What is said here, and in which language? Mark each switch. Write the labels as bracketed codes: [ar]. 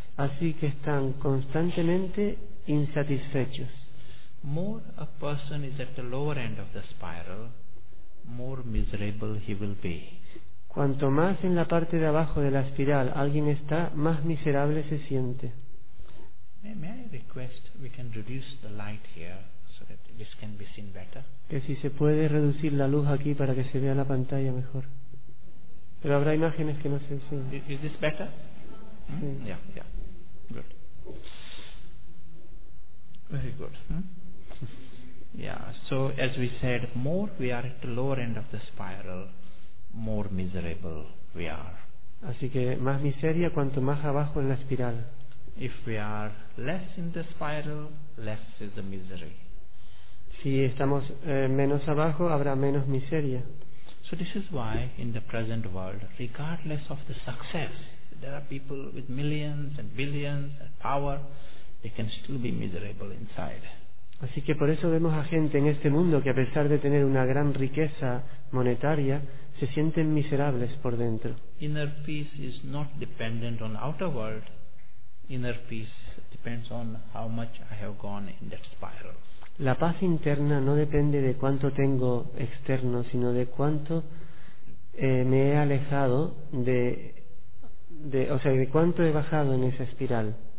[es] Así que están constantemente insatisfechos. [en] More a person is at the lower end of the spiral, more miserable he will be. [es] Cuanto más en la parte de abajo de la espiral alguien está, más miserable se siente. [en] May I request we can reduce the light here so that this can be seen better? [es] Que si se puede reducir la luz aquí para que se vea la pantalla mejor. Pero habrá imágenes que no se enseñan. [en] Is this better? [es] Sí. [en] Yeah, yeah. Good. Very good. Yeah, so as we said, more we are at the lower end of the spiral, more miserable we are. [es] Así que más miseria cuanto más abajo en la espiral. [en] If we are less in the spiral, less is the misery. [es] Si estamos menos abajo, habrá menos miseria. [en] So this is why in the present world, regardless of the success, there are people with millions and billions and power, they can still be miserable inside. [es] Así que por eso vemos a gente en este mundo que a pesar de tener una gran riqueza monetaria, se sienten miserables por dentro. [en] Inner peace is not dependent on outer world. Inner peace depends on how much I have gone in that spiral. [es] La paz interna no depende de cuánto tengo externo, sino de cuánto me he alejado de cuánto he bajado en esa espiral.